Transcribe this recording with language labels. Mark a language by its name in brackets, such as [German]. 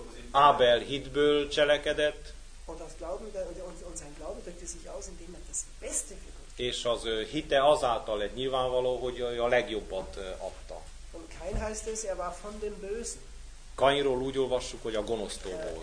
[Hungarian] Abel hitből cselekedett. [German] Und aus Glauben und sein Glaube drückte sich aus, indem er das Beste für Gott. [Hungarian] És az hite azáltal lett nyilvánvaló, hogy a legjobbat adta. [German] Und Kain heißt es, er war von dem Bösen. [Hungarian] Kainról úgy olvassuk, hogy a gonosztól volt.